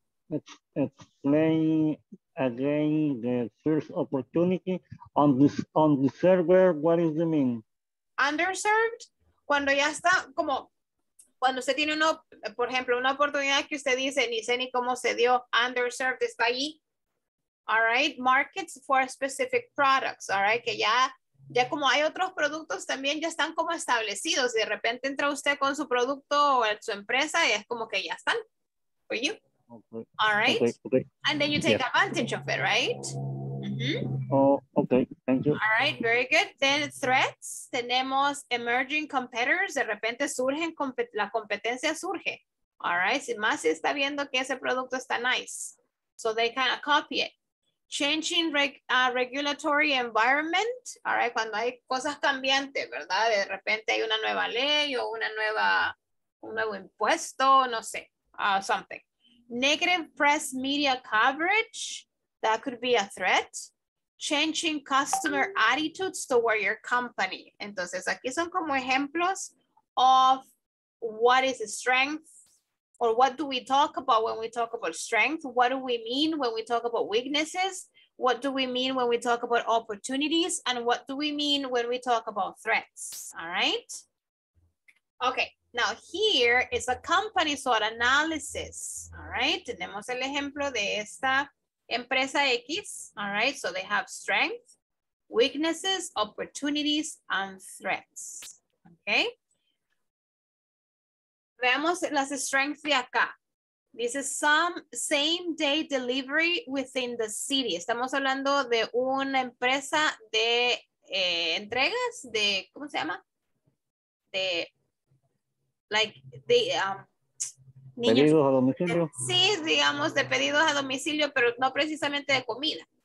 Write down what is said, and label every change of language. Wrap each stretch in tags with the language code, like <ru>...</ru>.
<en>Explain again the first opportunity on this, on the server, what is the mean?</en> <es>Underserved, cuando ya está como, cuando usted tiene, por ejemplo, una oportunidad que usted dice, ni sé ni cómo se dio, underserved, está ahí. All right,</es> <en>markets for specific products.</en> <es>All right, que ya como hay otros productos también, ya están como establecidos. De repente entra usted con su producto o su empresa y es como que ya están.</es> <en>For you. Okay. All right. Okay. And then you take advantage of it, right? Okay, thank you. All right, very good. Then threats, tenemos emerging competitors,</en> <es>de repente surgen, la competencia surge. All right, si más se está viendo que ese producto está nice.</es> <en>So they kind of copy it. Changing regulatory environment, all right,</en> <es>cuando hay cosas cambiantes, ¿verdad? De repente hay una nueva ley o un nuevo impuesto, no sé, something.</es> <en>Negative press media coverage, that could be a threat. Changing customer attitudes toward your company.</en> <es>Entonces, aquí son como ejemplos</es> <en>of what is a strength or what do we talk about when we talk about strength? What do we mean when we talk about weaknesses? What do we mean when we talk about opportunities? And what do we mean when we talk about threats? All right. Okay. Now, here is a company SWOT analysis. All right.</en> <es>Tenemos el ejemplo de esta empresa X, all right?</es> <en>So they have strengths, weaknesses, opportunities, and threats, okay?</en> <es>Veamos las strengths de acá.</es> <en>This is some same day delivery within the city.</en> <es>Estamos hablando de una empresa de entregas, de, ¿cómo se llama? De, like, the, ¿Pedidos a domicilio? Sí, digamos, de pedidos a domicilio, pero no precisamente de comida.</es>